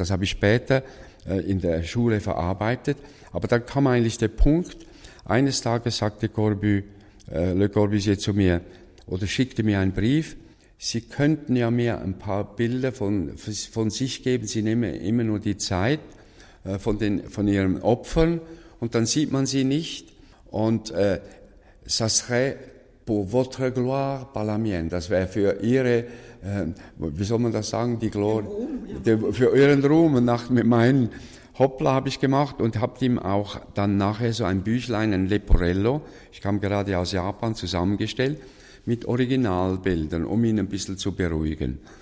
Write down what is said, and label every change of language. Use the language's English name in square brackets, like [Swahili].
[German] Das habe ich später in der Schule verarbeitet. Aber dann kam eigentlich der Punkt, eines Tages sagte Le Corbusier zu mir oder schickte mir einen Brief, Sie könnten ja mir ein paar Bilder von sich geben, Sie nehmen immer nur die Zeit von Ihren Opfern und dann sieht man sie nicht. [French] Und ça serait pour votre gloire, pas la mienne. [German] Das wäre für Ihre, wie soll man das sagen, die Glorie, für Ihren Ruhm. Und nach mit meinen Hoppla habe ich gemacht und habe ihm auch dann nachher so ein Büchlein, ein Leporello, ich kam gerade aus Japan, zusammengestellt, mit Originalbildern, um ihn ein bisschen zu beruhigen.